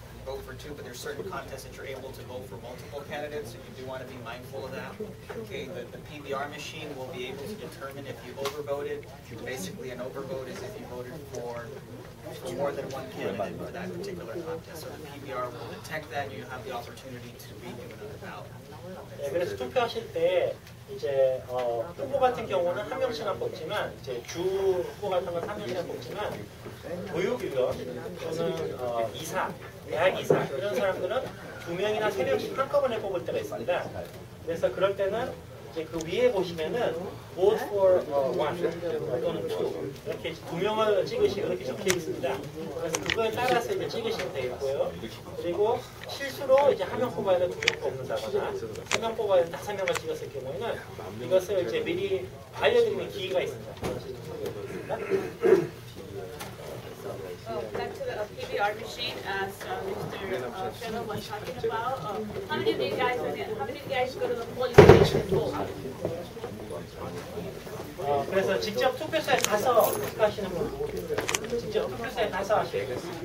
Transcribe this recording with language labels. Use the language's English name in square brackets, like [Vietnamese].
[English] Vote for two, but there's certain contests that you're able to vote for multiple candidates, so you do want to be mindful of that. Okay, the PBR machine will be able to determine if you overvoted. Basically, an overvote is if you voted for more than one candidate for that particular contest. So the PBR will detect that, and you have the opportunity to redo another ballot. [Korean] 네, 그래서 투표하실 때 이제 후보 같은 경우는 한 명씩만 뽑지만 이제 주 후보 같은 건 한 명씩만 뽑지만 교육위원 또는 이사, 대학 이사 이런 사람들은 두 명이나 세 명씩 한꺼번에 뽑을 때가 있습니다. 그래서 그럴 때는 이제 그 위에 보시면은 [English] vote for one [Korean] 또는 two 이렇게 두 명을 찍으시고 이렇게 적혀 있습니다. 그래서 그거에 따라서 이제 찍으시면 되겠고요. 그리고 실수로 이제 한 명 뽑아야 돼 두 명 뽑는다거나 세 명 뽑아야 돼 다섯 명을 찍었을 경우에는 이것을 이제 미리 알려드리는 기회가 있습니다. [English] back to the PBR machine, as Mr. Shannon was talking about. How many of you guys go to the polling station to vote? [Korean] 그래서 직접 투표소에 가서 투표하시는 분, 직접 투표소에 가서 하시는 분.